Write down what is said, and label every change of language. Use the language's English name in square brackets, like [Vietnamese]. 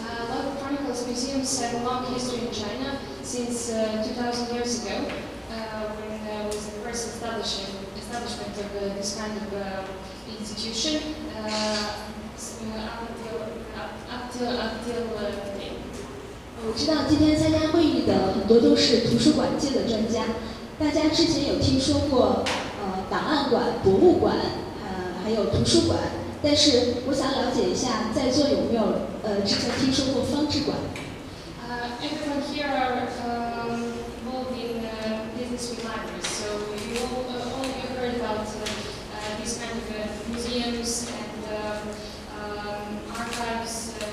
[English] Local chronicles museums have a long history in China since 2000 years ago, when there was the first establishment of this kind of institution, up till today. [Chinese] 我知道今天参加会议的很多都是图书馆界的专家，大家之前有听说过档案馆、博物馆，还有图书馆，但是我想了解一下，在座有没有之前听说过方志馆？ [English] Everyone here are involved in business with libraries, so you all have heard about this kind of museums and archives.